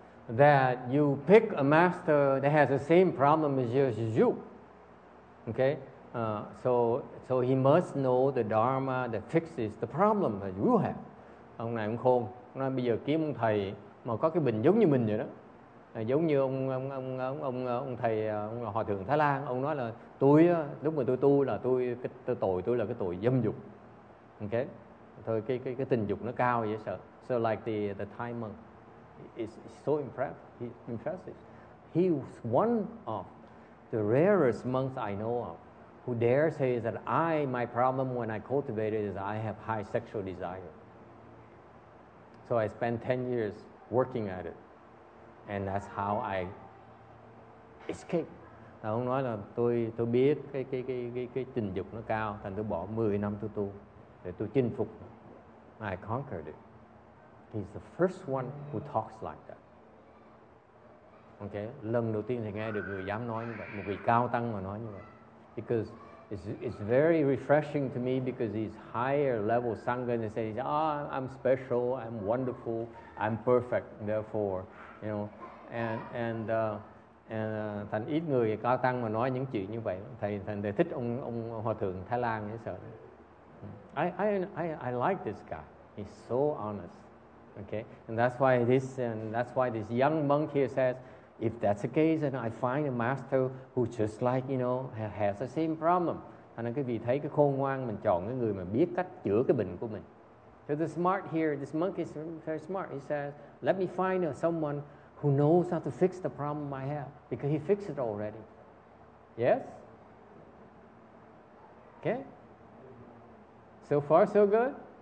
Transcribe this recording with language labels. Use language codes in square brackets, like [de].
[en] that you pick a master that has the same problem as you. Okay? So he must know the dharma that fixes the problem that you have. [vi] Ông này ông khôn, ông nói bây giờ kiếm ông thầy mà có cái bệnh giống như mình vậy đó. Giống như ông thầy ông hòa thượng Thái Lan, ông nói là tôi lúc mà tôi tu là tôi là cái tội dâm dục. Okay? Thôi cái tình dục nó cao vậy sợ. [en] So like the Thai monk is so impressive. He was one of the rarest monks I know of who dare say that my problem when I cultivate it is I have high sexual desire. So I spent 10 years working at it. And that's how I escaped. [vi] Ông nói là tôi biết cái tình dục nó cao, thành tôi bỏ 10 năm tôi tu để tôi chinh phục. [en] I conquered it. He's the first one who talks like that. [vi] Okay, lần đầu tiên thì nghe được người dám nói như vậy, một vị cao tăng mà nói như vậy. [en] Because it's very refreshing to me because these higher level sangha they say, I'm special, I'm wonderful, I'm perfect, therefore, you know, and [vi] thành ít người cao tăng mà nói những chuyện như vậy. Thầy đề thích ông hòa thượng Thái Lan ấy sợ. [en] I like this guy. He's so honest. Okay, and that's why this young monk here says, if that's the case, then I find a master who just like, you know, has the same problem. [vi] Thành cái vị thấy cái khôn ngoan, mình chọn cái người mà biết cách chữa cái bệnh của mình. [en] So the smart here, this monk is very smart. He says, let me find someone who knows how to fix the problem I have, because he fixed it already. Yes? Okay? So far, so good?